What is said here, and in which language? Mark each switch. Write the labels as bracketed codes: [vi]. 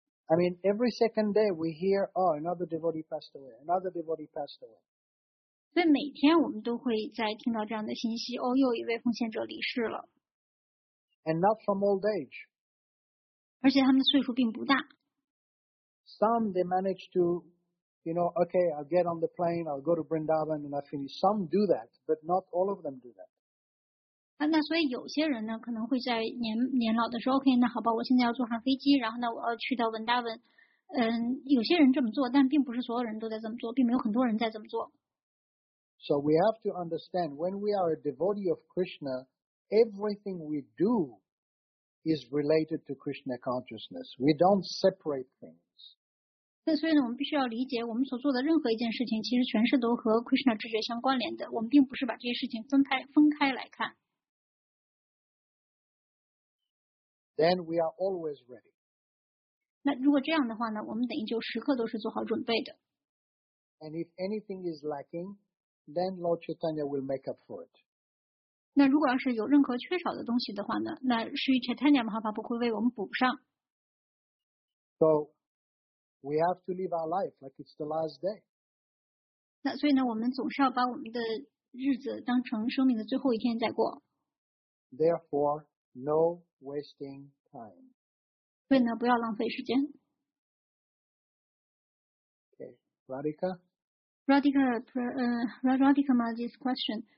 [en] I mean, every second day we hear, oh, another devotee passed away, another devotee passed away. [zh] 所以每天我们都会在听到这样的信息，哦，又一位奉献者离世了。 [en] And not from old age. [zh] 而且他们的岁数并不大。 [en] Some they manage to. You know, okay, I'll get on the plane, I'll go to Vrindavan and I finish. Some do that, but not all of them do that. [zh] 那所以有些人呢，可能会在年老的时候 ，OK， 那好吧，我现在要坐上飞机，然后呢，我要去到 Vrindavan。有些人这么做，但并不是所有人都在这么做，并没有很多人在这么做。 [en] So we have to understand, when we are a devotee of Krishna, everything we do is related to Krishna consciousness. We don't separate things. [zh] 那所以呢，我们必须要理解，我们所做的任何一件事情，其实全是都和 Krishna 知觉相关联的。我们并不是把这些事情分开来看。 [en] Then we are always ready. [zh] 那如果这样的话呢，我们等于就时刻都是做好准备的。 [en] And if anything is lacking, then Lord Chaitanya will make up for it. [zh] 那如果要是有任何缺少的东西的话呢，那是 Chaitanya Mahaprabhu 会为我们补上。 [en] So. We have to live our life like it's the last day. [zh] 那所以呢，我们总是要把我们的日子当成生命的最后一天在过。 [en] Therefore, no wasting time. [zh] 所以呢，不要浪费时间。 [en] Okay, Radhika. Radhika Maji's question.